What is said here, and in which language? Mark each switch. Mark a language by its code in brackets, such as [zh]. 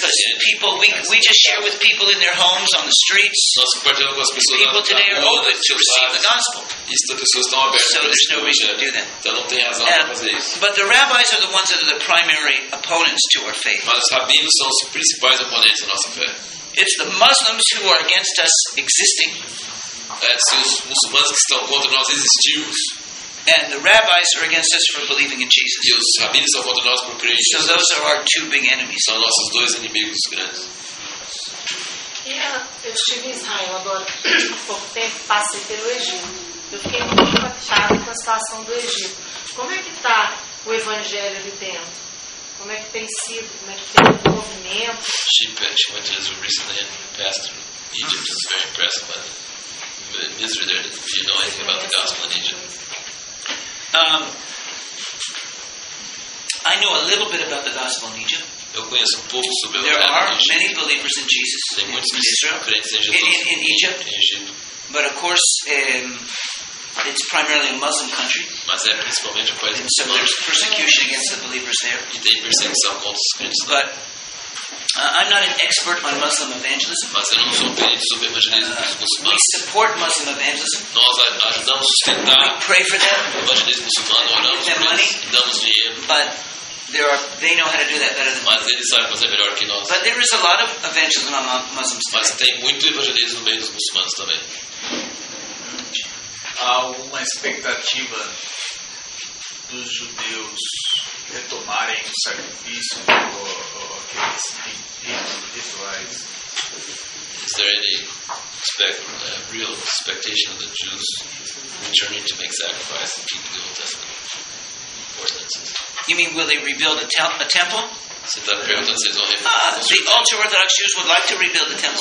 [en] Because people, we just share with people in their homes on the streets. [pt] Nós compartilhamos com as pessoas. [en] People today are open to receive the gospel. [pt] Isso, pessoas estão abertas. [en] So there's no reason to do that. [pt] Então não tem razão para fazer. [en] But the rabbis are the ones that are the primary opponents to our faith. [pt] Mas os rabinos são os principais oponentes à nossa fé. [en] It's the Muslims who are against us existing. [pt] É, são os muçulmanos que estão contra nós existirmos. [en] And the rabbis are against us for believing in Jesus. [pt] E os rabinos são contra nós por crer em Jesus. [en] So those are our two big enemies. [pt] São nossos dois inimigos grandes. Eu estive em Israel agora há pouco tempo, passei pelo Egito. Eu fiquei muito impactada com a situação do Egito. Como é que está o Evangelho ali dentro? Como é que tem sido? Como é que tem o movimento? [en] She went to Israel recently and passed through Egypt. I was very impressed by the misery there. If you know anything about the gospel in Egypt. I know a little bit about the gospel in Egypt. [pt] Eu conheço um pouco sobre [en] there [pt] o [en] are [pt] Egito. [en] Many believers in Jesus in Egypt. But of course, it's primarily a Muslim country. [pt] Mas é principalmente um país [en] and so there's persecution against the believers there. [pt] E tem perseguição contra os crentes. [en] But I'm not an expert on Muslim evangelism. [pt] Mas eu não sou um perito sobre evangelismo muçulmano. [en] We support Muslim evangelism. [pt] Nós ajudamos a sustentar. [en] We pray for them. [pt] Evangelismo muçulmano, oramos [en] them money. [pt] Damos dinheiro. [en] But they know how to do that better than us. [pt] Mas eles sabem fazer melhor que nós. [en] But there is a lot of evangelism among Muslims. [pt] Mas tem muito evangelismo no meio dos muçulmanos também. Há uma expectativa dos judeus retomarem o sacrifício ou aqueles rituais. [en] Is there any real expectation of the Jews returning to make sacrifice and keep the Old Testament ordinances? You mean will they rebuild a temple? The ultra-Orthodox Jews would like to rebuild the temple.